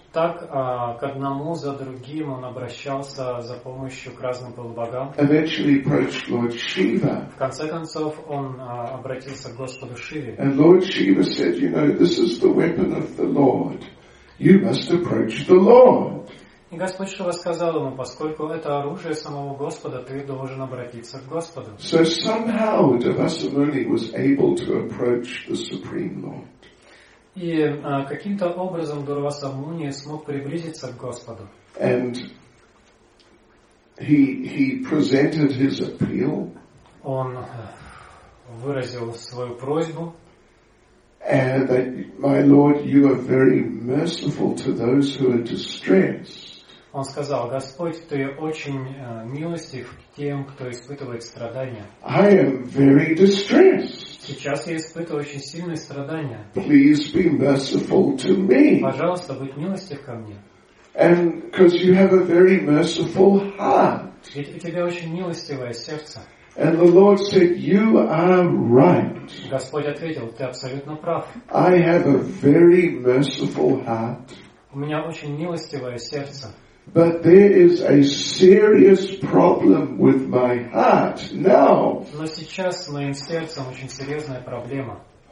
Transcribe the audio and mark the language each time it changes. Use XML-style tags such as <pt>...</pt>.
<ru>Так к одному за другим он обращался за помощью к разным полубогам.</ru> <en>Eventually approached Lord Shiva.</en> <ru>В конце концов он обратился к Господу Шиве.</ru> <en>And Lord Shiva said, this is the weapon of the Lord. You must approach the Lord.</en> <ru>И Господь Шива сказал ему, поскольку это оружие самого Господа, ты должен обратиться к Господу.</ru> <en>So somehow Durvasa Muni was able to approach the Supreme Lord.</en> <ru>И каким-то образом Дурваса Муни смог приблизиться к Господу.</ru> <en>And he presented his appeal.</en> <ru>Он выразил свою просьбу.</ru> <en>And that, my Lord, you are very merciful to those who are distressed.</en> <ru>Он сказал, Господь, ты очень милостив к тем, кто испытывает страдания.</ru> <en>I am very distressed.</en> <ru>Сейчас я испытываю очень сильные страдания.</ru> <en>Please be merciful to me.</en> <ru>Пожалуйста, будь милостив ко мне.</ru> <en>And because you have a very merciful heart.</en> <ru>Ведь у тебя очень милостивое сердце.</ru> <en>And the Lord said, you are right.</en> <ru>Господь ответил, ты абсолютно прав.</ru> <en>I have a very merciful heart.</en> <ru>У меня очень милостивое сердце.</ru> <en>But there is a serious problem with my heart now.</en> <ru>Но сейчас с моим сердцем очень серьезная проблема.</ru>